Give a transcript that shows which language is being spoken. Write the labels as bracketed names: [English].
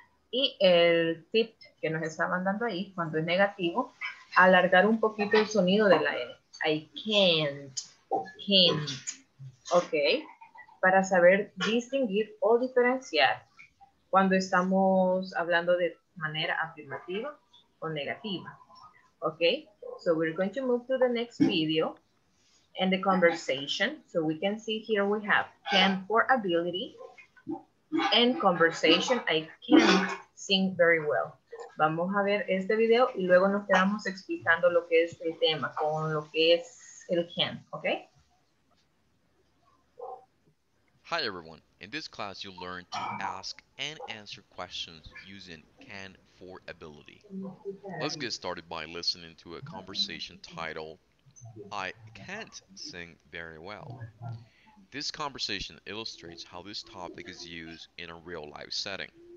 [Spanish] Y el tip que nos estaban dando ahí, cuando es negativo, alargar un poquito el sonido de la N. [English] I can't, can't. [Spanish] Ok, para saber distinguir o diferenciar cuando estamos hablando de manera afirmativa o negativa. [English] Ok, so we're going to move to the next video and the conversation. So we can see here we have can for ability. And conversation, I can't sing very well. [Spanish] Vamos a ver este video y luego nos quedamos explicando lo que es el tema con lo que es el can, okay? [English] Hi everyone. In this class, you'll learn to ask and answer questions using can for ability. Let's get started by listening to a conversation titled, I can't sing very well. This conversation illustrates how this topic is used in a real life setting.